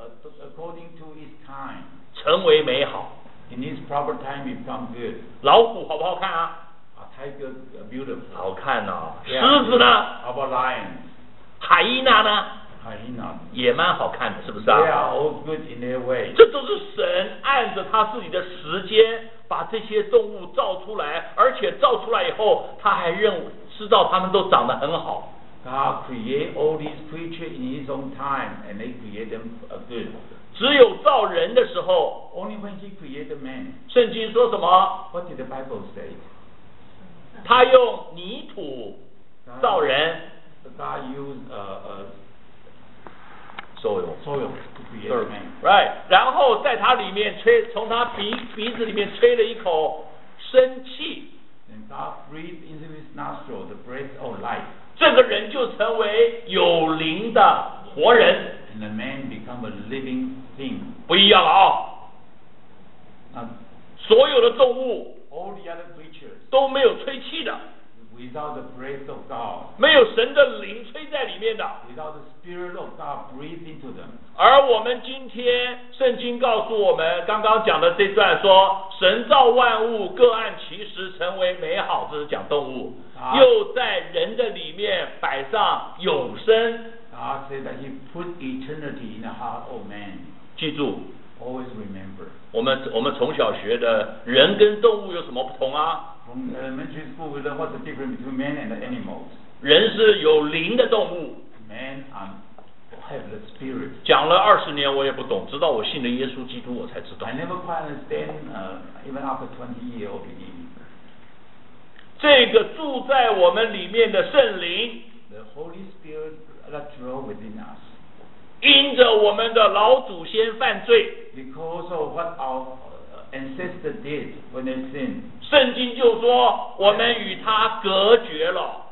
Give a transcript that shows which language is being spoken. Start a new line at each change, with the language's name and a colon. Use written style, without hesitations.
English: According to its time.
Chinese: 成为美好。
English: In its proper time, become good.
Chinese: 老虎好不好看啊
English: ？A tiger beautiful.
Chinese: 好看呐、哦。狮子呢
English: ？How about lions?
Chinese: 海伊娜呢？海伊娜也蛮好看的，是不是啊
English: ？They are all good in their way.
Chinese: 这都是神按着他自己的时间把这些动物造出来，而且造出来以后，他还认知道他们都长得很好。
English: God create all these creatures in His own time, and they create them good.
Chinese: 只有造人的时候
English: ，Only when He created man.
Chinese: 圣经说什么
English: ？What did the Bible say?
Chinese: 他用泥土造人。
English: God used soil to create man. Right.
Chinese: 然后在他里面吹，从他鼻子里面吹了一口生气。
English: And God breathed into his nostril the breath of life.
Chinese: 这个人就成为有灵的活人。
English: And the man become a living thing.
Chinese: 不一样了啊！所有的动物
English: all the other creatures
Chinese: 都没有吹气的。
English: Without the breath of God,
Chinese: 没有神的灵吹在里面的。
English: Without the spirit of God breathing into them.
Chinese: 而我们今天圣经告诉我们，刚刚讲的这段说，神造万物各按其时成为美好，这是讲动物。
English: God,
Chinese: 又在人的里面摆上永生。
English: God God said that He put eternity in the heart of man.
Chinese: 记住。
English: Always remember.
Chinese: 我们从小学的人跟动物有什么不同啊？
English: From elementary school, what's the difference between man and animals?
Chinese: 人是有灵的动物。
English: Man and have the spirit.
Chinese: 讲了二十年我也不懂，直到我信了耶稣基督我才知道。
English: I never quite understand, even after 20 years of believing.
Chinese: 这个住在我们里面的圣灵
English: The Holy Spirit that dwells within us
Chinese: 因着我们的老祖先犯罪
English: Because of what our ancestors did when they sinned
Chinese: 圣经就说我们与他隔绝了